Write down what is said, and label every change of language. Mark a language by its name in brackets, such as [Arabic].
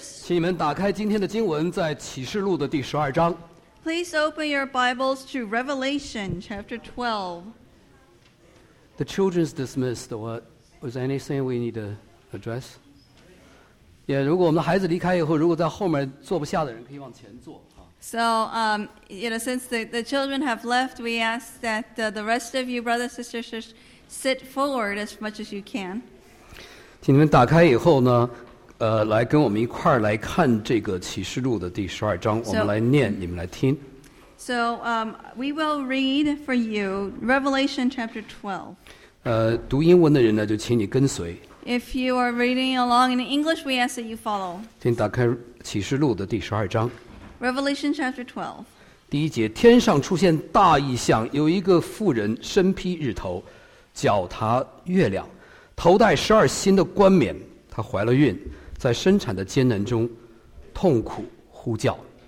[Chinese] 请你们打开今天的经文，在启示录的第十二章。 [English] Please open your Bibles to Revelation chapter 12. The children's dismissed. What was anything we need to address? [Chinese] Yeah, 如果我们的孩子离开以后，如果在后面坐不下的人，可以往前坐。 [English] So, since the children have left, we ask that the rest of you, brothers and sisters, just sit forward as much as you can. [Chinese] 请你们打开以后呢，来跟我们一块来看这个启示录的第十二章，我们来念，你们来听。 [English] So, we will read for you Revelation chapter 12. [Chinese] 读英文的人呢，就请你跟随。 [English] If you are reading along in English, we ask that you follow. [Chinese] 请打开启示录的第十二章。 [English] Revelation chapter 12. [Chinese] 第一节，天上出现大异象，有一个妇人身披日头，脚踏月亮，头戴十二星的冠冕，她怀了孕，在生产的艰难中痛苦呼叫。